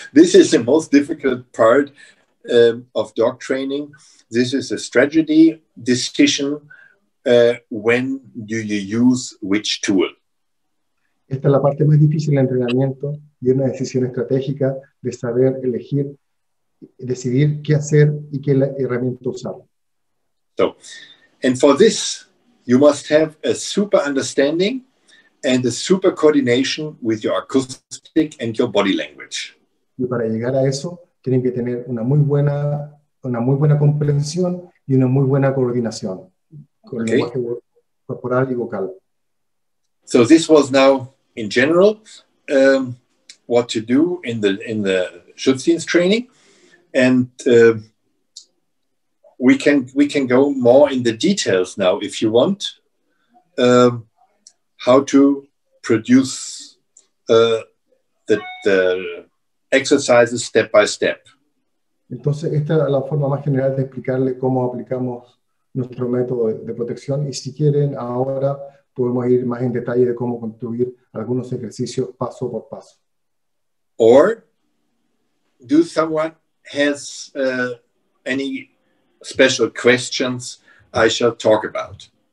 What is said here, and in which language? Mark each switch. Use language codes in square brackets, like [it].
[en] This is the most difficult part of dog training. This is a strategy decision, when do you use which tool. [es] Esta es la parte más difícil del entrenamiento y una decisión estratégica de saber elegir, decidir qué hacer y qué herramienta usar. [en] So, and for this, you must have a super understanding and a super coordination with your acoustic and your body language. [es] Y para llegar a eso, tienen que tener una muy buena comprensión y una muy buena coordinación con el lenguaje corporal y vocal. [en] So this was now, in general, what to do in the Schutzdienst training. And we can go more in the details now, if you want, how to produce the exercises step by step. [es] Entonces, esta es la forma más general de explicarle cómo aplicamos nuestro método de protección. Y si quieren, ahora podemos ir más en detalle de cómo construir algunos ejercicios paso por paso. [en] Or, do someone has any special questions I shall talk about.